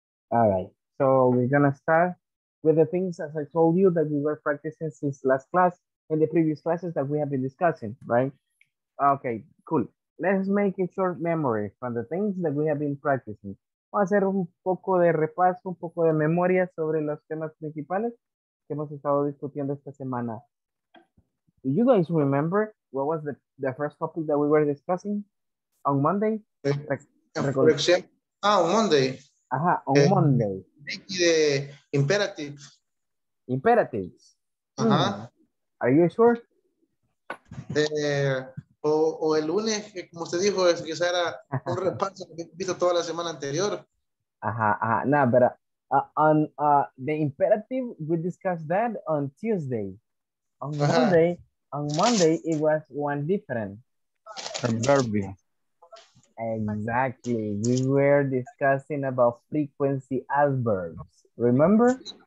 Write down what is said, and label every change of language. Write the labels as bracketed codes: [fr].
[en] All right, so we're gonna start with the things, as I told you, that we were practicing since last class and the previous classes that we have been discussing, right? Okay, cool. Let's make a short memory from the things that we have been practicing. [es] Vamos a hacer un poco de repaso, un poco de memoria sobre los temas principales que hemos estado discutiendo esta semana. [en] Do you guys remember what was the first topic that we were discussing? On Monday? For example, on Monday. Ajá, on Monday. The imperative. Imperatives. Ajá. Are you sure? [es] O el lunes, como usted dijo, es que era un repaso que he visto toda la semana anterior. Ajá, ajá. [en] No, pero on the imperative, we discussed that on Tuesday. On Monday, on Monday, it was one different. A verb. Exactly. We were discussing about frequency adverbs. Remember?